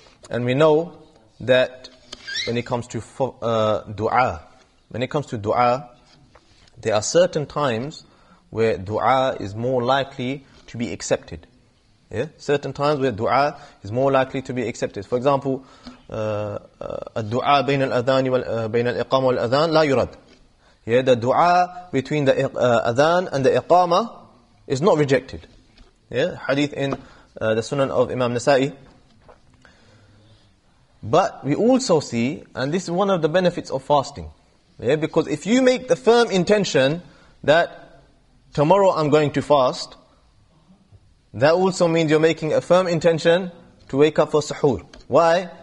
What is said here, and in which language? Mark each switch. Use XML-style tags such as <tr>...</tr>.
<en>And we know that when it comes to dua, when it comes to dua, there are certain times where dua is more likely to be accepted. Yeah? Certain times where dua is more likely to be accepted. For example,</en> <ar>الدُعَاء بَيْنَ الْأَذَانِ وَبَيْنَ الْإِقَامَ وَالْأَذَانِ لَا يُرَدْ.</ar> <en>Yeah, the dua between the adhan and the iqama is not rejected. Yeah, hadith in the Sunan of Imam Nasa'i. But we also see, and this is one of the benefits of fasting. Yeah, because if you make the firm intention that tomorrow I'm going to fast, that also means you're making a firm intention to wake up for suhoor. Why?</en>